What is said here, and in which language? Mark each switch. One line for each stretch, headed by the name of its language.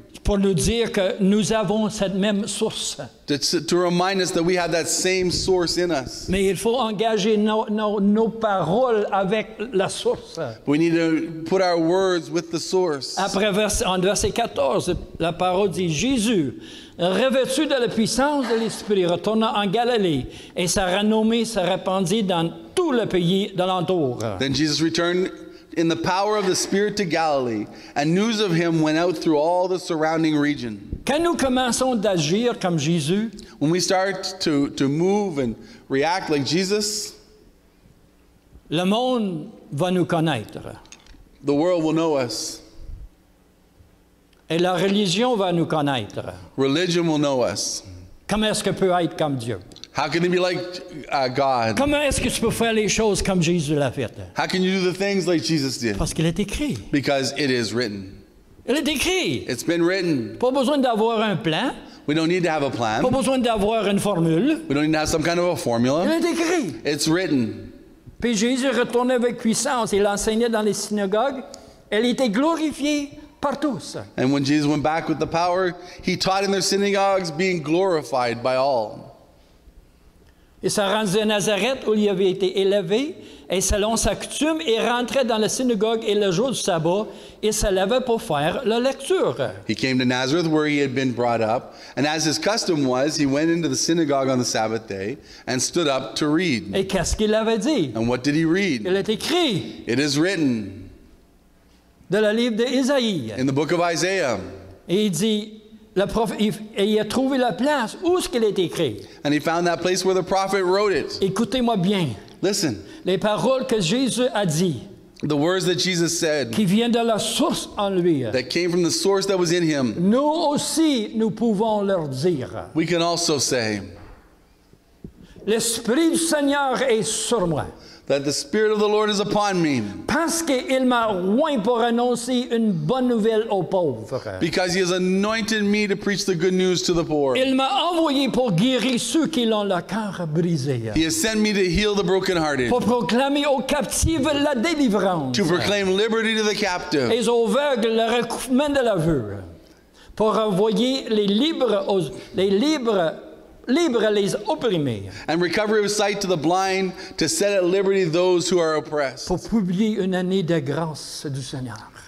French: Pour nous dire que nous avons cette même source.
English: To remind us that we have that same source in us.
French: Mais il faut engager nos paroles avec la source.
English: We need to put our words with the source.
French: Après verset 14, la parole dit Jésus, revêtu de la puissance de l'Esprit, retourna en Galilée et sa renommée se répandit dans tout le pays de l'entour.
English: Then Jesus returned in the power of the Spirit to Galilee, and news of him went out through all the surrounding region.
French: Quand nous commençons d'agir comme Jésus,
English: when we start to move and react like Jesus,
French: le monde va nous connaître.
English: The world will know us.
French: Et la religion va nous connaître.
English: Religion will know us.
French: Comment est-ce que peut être comme Dieu?
English: How can they be like God?
French: Comment est-ce que tu peux faire les choses comme Jésus l'a fait?
English: How can you do the things like Jesus did?
French: Parce qu'il est écrit.
English: Because it is written.
French: Il est écrit.
English: It's been written.
French: Pas besoin d'avoir un plan.
English: We don't need to have a plan.
French: Pas besoin d'avoir une formule.
English: We don't need to have some kind of a formula.
French: Il est écrit.
English: It's written.
French: Puis Jésus retournait avec puissance. Il enseignait dans les synagogues. Il était glorifié.
English: And when Jesus went back with the power, he taught in their synagogues, being glorified by all.
French: Il s'est rendu à Nazareth où il avait été élevé, et selon sa coutume, il rentrait dans la synagogue et le jour du sabbat, il se levait pour faire la lecture.
English: He came to Nazareth where he had been brought up, and as his custom was, he went into the synagogue on the Sabbath day and stood up to read.
French: Et qu'est-ce qu'il avait dit?
English: And what did he read?
French: Il est écrit.
English: It is written.
French: De la livre de Isaïe.
English: In the book of Isaiah.
French: Et il dit, il a trouvé la place où ce qu'il est écrit.
English: And he found that place where the prophet wrote it.
French: Écoutez-moi bien.
English: Listen.
French: Les paroles que Jésus a dit.
English: The words that Jesus said.
French: Qui vient de la source en lui.
English: That came from the source that was in him.
French: Nous aussi, nous pouvons leur dire.
English: We can also say.
French: L'Esprit du Seigneur est sur moi.
English: That the Spirit of the Lord is upon me.
French: Parce qu'il m'a oint pour annoncer une bonne nouvelle aux pauvres.
English: Because he has anointed me to preach the good news to the poor.
French: Il m'a envoyé pour guérir ceux qui ont le cœur brisé.
English: He has sent me to heal the brokenhearted.
French: Pour proclamer aux captives la délivrance.
English: To proclaim liberty to the captive.
French: Et aux aveugles le recouvrement de la vue. Pour envoyer les libres les opprimés.
English: And recovery of sight to the blind, to set at liberty those who are oppressed.
French: Pour publier une année de grâce du Seigneur.